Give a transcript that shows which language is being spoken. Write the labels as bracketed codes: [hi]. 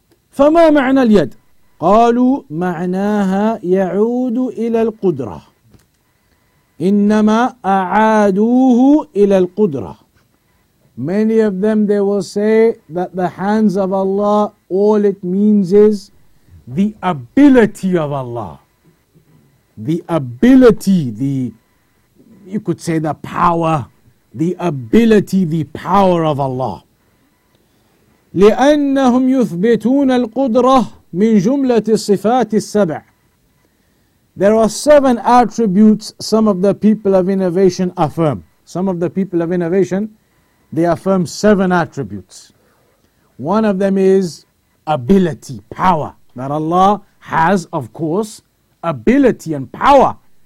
[ar] فَمَا مَعْنَى الْيَدْ قَالُوا مَعْنَاهَا يَعُودُ إِلَى الْقُدْرَةِ [en] إِنَّمَا أَعَادُوهُ إِلَى الْقُدْرَةِ Many of them, they will say that the hands of Allah, all it means is the ability of Allah. The ability, you could say the power, the ability, the power of Allah. [ar] لأنهم يثبتون القدرة من جملة الصفات السبع. [en] There are seven attributes some of the people of innovation affirm. Some of the people of innovation, they affirm seven attributes. One of them is ability, power. That Allah has, of course, ability and power.